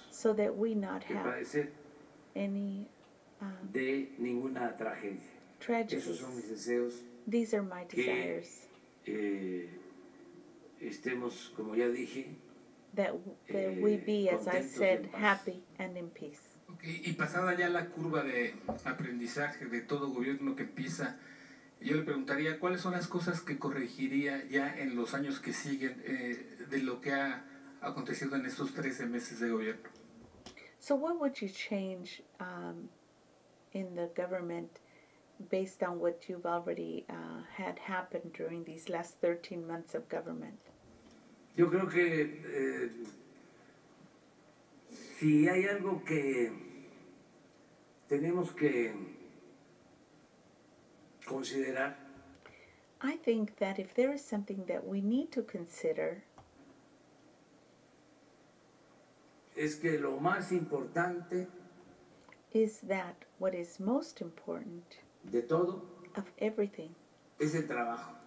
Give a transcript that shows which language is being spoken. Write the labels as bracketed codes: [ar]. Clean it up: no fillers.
[en] so that we not have any [es] de ninguna tragedia. [en] Tragedies. [es] Esos son mis deseos. [en] These are my desires. [es] Que, estemos, como ya dije, [en] that we be, as I said, happy and in peace. Okay. [es] Y pasada ya la curva de aprendizaje de todo gobierno que empieza, yo le preguntaría, ¿cuáles son las cosas que corregiría ya en los años que siguen de lo que ha acontecido en estos 13 meses de gobierno? [en] So what would you change in the government based on what you've already had happened during these last 13 months of government? [es] Yo creo que si hay algo que tenemos que considerar. [en] I think that if there is something that we need to consider, [es] es que lo más importante [en] is that what is most important [es] de todo [en] of everything [es] es el trabajo.